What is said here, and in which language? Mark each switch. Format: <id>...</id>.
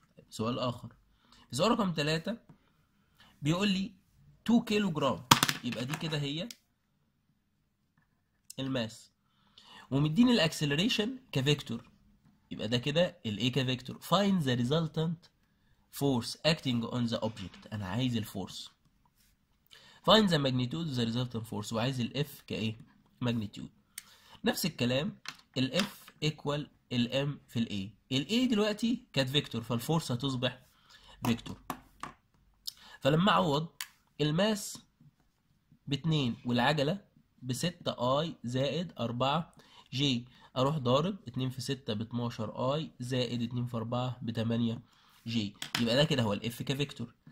<ar>سؤال اخر، سؤال رقم 3 بيقول لي 2 كيلوغرام، يبقى دي كده هي الماس، ومديني الاكسلريشن كفيكتور، يبقى ده كده الاي كفيكتور.</ar> <en>find the resultant force acting on the object،</en> <ar>انا عايز الفورس.</ar> <en>find the magnitude of the resultant force،</en> <ar>وعايز الاف كايه؟</ar> <en>magnitude.</en> <ar>نفس الكلام ال F equal ال M في ال A. ال A دلوقتي كانت فيكتور، فالفورس هتصبح فيكتور. فلما اعوض الماس باتنين والعجلة بستة اي زائد اربعة جي، اروح ضارب اتنين في ستة باتناشر اي زائد اتنين في اربعة بتمانية جي، يبقى ده كده هو الاف كفيكتور.</ar>